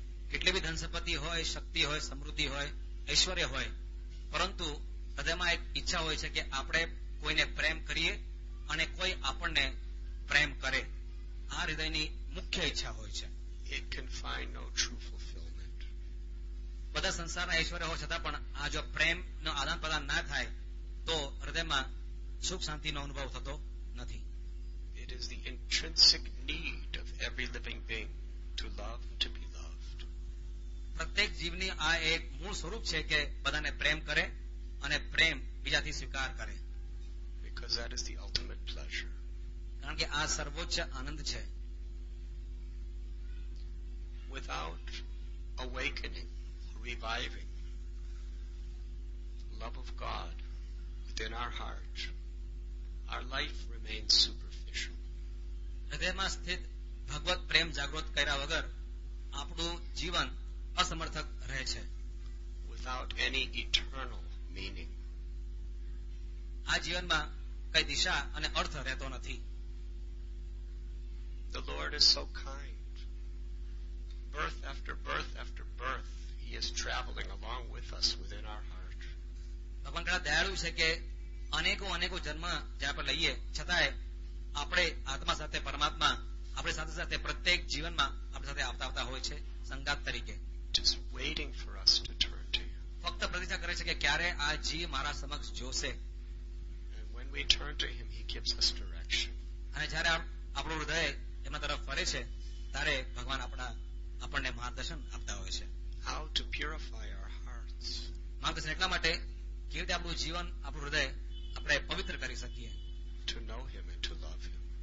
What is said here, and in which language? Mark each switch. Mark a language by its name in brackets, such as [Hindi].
[Gujarati] કેટલી બી ધન સંપત્તિ હોય, શક્તિ હોય, સમૃદ્ધિ હોય, ઐશ્વર્ય હોય, પરંતુ હૃદયમાં એક ઈચ્છા હોય છે કે આપણે કોઈને પ્રેમ કરીએ અને કોઈ આપણને પ્રેમ કરે. આ હૃદયની મુખ્ય ઈચ્છા હોય છે. [English] It can find no true fulfillment. [Gujarati] બધા સંસારના ઐશ્વર્ય હોવા છતાં પણ આ જો પ્રેમનો આદાન પ્રદાન ના થાય તો હૃદયમાં સુખ શાંતિનો અનુભવ થતો નથી. [English] It is the intrinsic need of every living being to love and to be loved. [Gujarati] પ્રત્યેક જીવની આ એક મૂળ સ્વરૂપ છે કે બધાને પ્રેમ કરે અને પ્રેમ બીજાથી સ્વીકાર કરે. [English] Because that is the ultimate pleasure. [Gujarati] કારણ કે આ સર્વોચ્ચ આનંદ છે. [English] Without awakening, reviving love of God within our heart, our life remains superficial. [Gujarati] હૃદયમાં સ્થિત ભગવત પ્રેમ જાગૃત કર્યા વગર આપણું જીવન અસમર્થક રહે છે. [English] Without any eternal meaning. [Gujarati] આ જીવનમાં કઈ દિશા અને અર્થ રહેતો નથી. [English] The Lord is so kind. Birth after birth after birth, He is traveling along with us within our heart. [Gujarati] ભગવાન કહે દયાળુ છે કે અનેકો અનેકો જન્મ જ્યાં પર લઈએ છતાંય આપણે આત્મા સાથે પરમાત્મા આપણી સાથે સાથે પ્રત્યેક જીવનમાં આપણી સાથે આવતા આવતા હોય છે સંગાત તરીકે. [English] Just waiting for us to turn to Him. [Gujarati] ફક્ત પ્રતીક્ષા કરે છે કે ક્યારે આ જીવ મારા સમક્ષ જોશે. [English] And when we turn to Him, He gives us direction. [Gujarati] અને જ્યારે આપણું હૃદય એમના તરફ ફરે છે ત્યારે ભગવાન આપણા આપણને માર્ગદર્શન આપતા હોય છે. [English] How to purify our hearts. [Gujarati] માર્ગદર્શન એટલા માટે કેવી રીતે આપણું જીવન આપણું હૃદય આપણે પવિત્ર કરી શકીએ. [English] To know him and to love him.